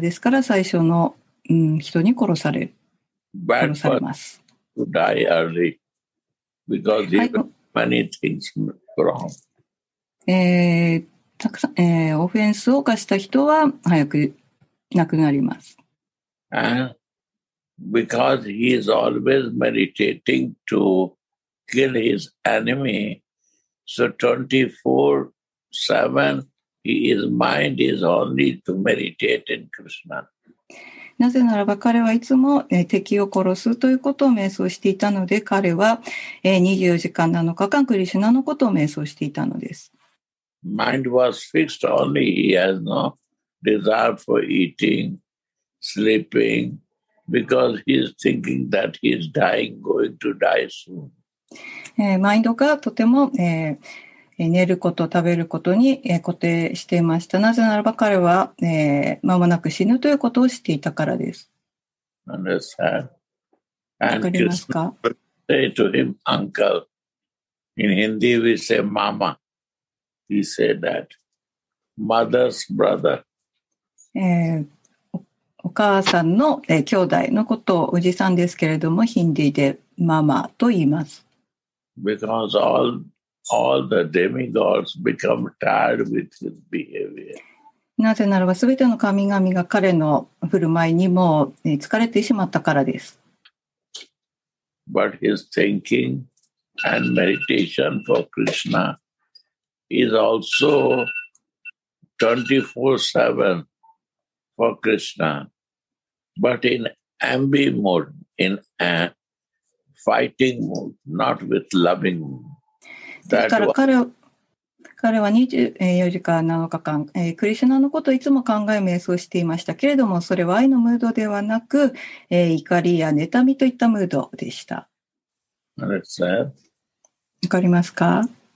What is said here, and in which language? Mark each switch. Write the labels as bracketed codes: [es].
[ja] ですから最初の、人に殺される、殺されます。オフェンスを犯した人は早く亡くなります。 [en] And because he is always meditating to kill his enemy, so 24/7His mind is only to meditate in Krishna. [ja] なぜならば彼はいつも敵を殺すということを瞑想していたので、彼は24時間7日間クリシュナのことを瞑想していたのです。 [en] Mind was fixed only. He has no desire for eating, sleeping, because he is thinking that he is dying, going to die soon. [ja] マインドがとても、寝ること食べることに固定していました。なぜならば彼は、間もなく死ぬということを知っていたからです。わかりますか？ [en] Say to him, uncle. In Hindi we say mama. He said that. Mother's brother. [ja] お母さんの、兄弟のことをおじさんですけれども、ヒンディーでママと言います。 [en] Because all the demigods become tired with his behavior. [ja] なぜならば全ての神々が彼の振る舞いにも疲れてしまったからです。 [en] But his thinking and meditation for Krishna is also 24/7 for Krishna, but in envy mode, in a fighting mode, not with loving mode. [ja] ですから彼は24時間7日間、クリシュナのことをいつも考え瞑想していましたけれども、それは愛のムードではなく、怒りや妬みといったムードでした。わかりますか？